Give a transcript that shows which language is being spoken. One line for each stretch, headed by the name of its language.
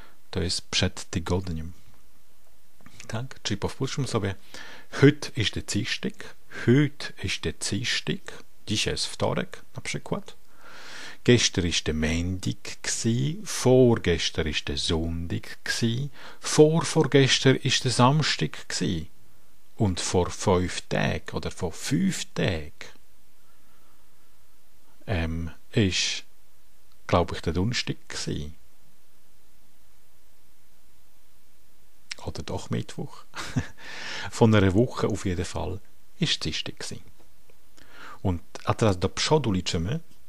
Polish: To jest przed tygodniem. Tak? Czyli powtórzmy sobie.
Swiss German: Hüt ist der Dienstag.
Polish: Dzisiaj jest wtorek, na przykład.
Swiss German: Gestern ist der Montag gsi. Vorgestern ist der Sonntag gsi. Vorgestern ist der Samstag gsi. Und vor fünf Tagen oder vor fünf Tagen ist, glaube ich, der Donnerstag gsi. Oder doch Mittwoch. Von einer Woche auf jeden Fall ist Dienstag gsi.
Polish: Und, a teraz do przodu liczymy.